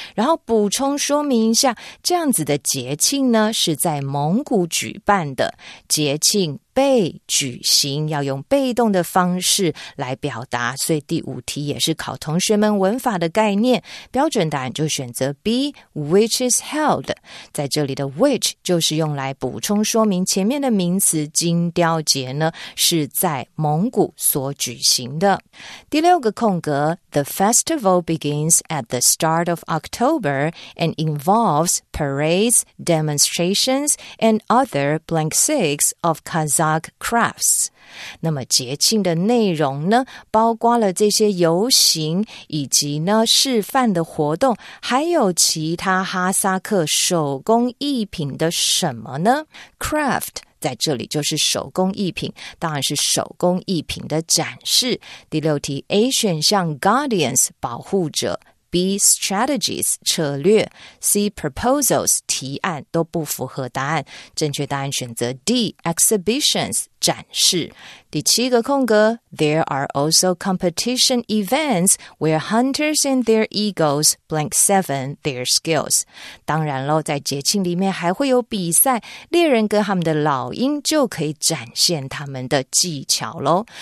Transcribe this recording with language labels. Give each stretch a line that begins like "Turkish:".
Chinese: 然后补充说明一下，这样子的节庆呢是在蒙古举办的，节庆被举行要用被动的方式来表达，所以第五题也是考同学们文法的概念，标准答案就选择 B
English: which is held。
Chinese: 在这里的 which 就是用来补充说明前面的名词金雕节呢是在蒙古所举行的。第六个空格
English: The festival begins at the start of October and involves parades, demonstrations and other blank six of Kazakh crafts。
Chinese: 那么节庆的内容呢包括了这些游行以及呢示范的活动，还有其他哈萨克手工艺品的什么呢？ Craft 在这里就是手工艺品，当然是手工艺品的展示。第六题 A 选项 Guardians 保护者，B strategies 策略， C proposals 提案，都不符合答案。正确答案选择 D exhibitions 展示。第七个空格
English: There are also competition events where hunters and their eagles blank seven their skills。
Chinese: 当然咯，在节庆里面还会有比赛，猎人跟他们的老鹰就可以展现他们的技巧咯。